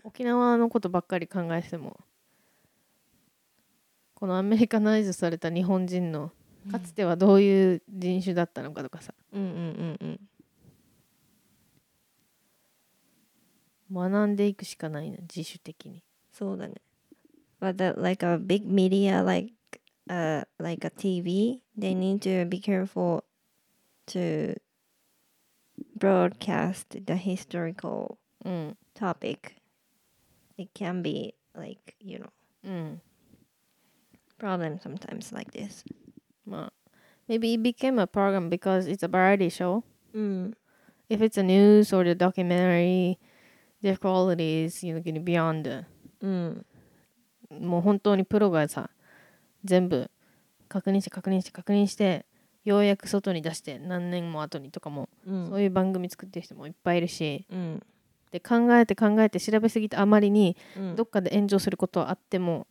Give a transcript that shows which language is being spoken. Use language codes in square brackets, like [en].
[ja] 沖縄のことばっかり考えてもこのアメリカナイズされた日本人のかつてはどういう人種だったのかとかさ、うんうんうんうん、学んでいくしかないな、自主的に。そうだね。 [en] But that, like a big media likeLike a TV, they need to be careful to broadcast the historical、 [ja] うん、 [en] topic. It can be like, you know,、 [ja] うん、 [en] problem sometimes like this. まあ、maybe it became a program because it's a variety show.、 [ja] うん、 [en] If it's a news or a documentary, the quality is, you know, going beyond.、 [ja] うん、もう本当にプロがさ全部確認して確認して確認してようやく外に出して何年も後にとかも、うん、そういう番組作ってる人もいっぱいいるし、うん、で考えて考えて調べすぎてあまりに、うん、どっかで炎上することはあっても、